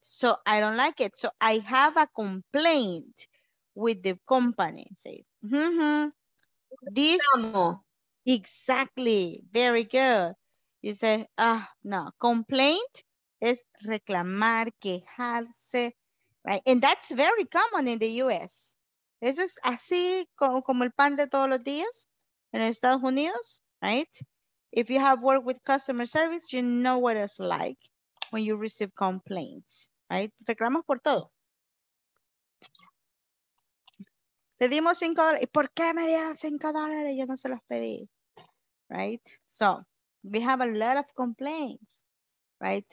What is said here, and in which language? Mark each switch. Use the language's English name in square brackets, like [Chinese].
[English] So I don't like it. So I have a complaint with the company. Say, this [Spanish] Estamos. [English] Exactly, very good. You say, no, complaint is [Spanish] reclamar, quejarse, [English] right? And that's very common in the US. [Spanish] Eso es así como, como el pan de todos los días en Estados Unidos, right? [English] If you have worked with customer service, you know what it's like when you receive complaints, right? [Spanish] Reclamas por todo. Pedimos $5. ¿Y por qué me dieron $5? Yo no se los pedí, right? [English] So we have a lot of complaints, right?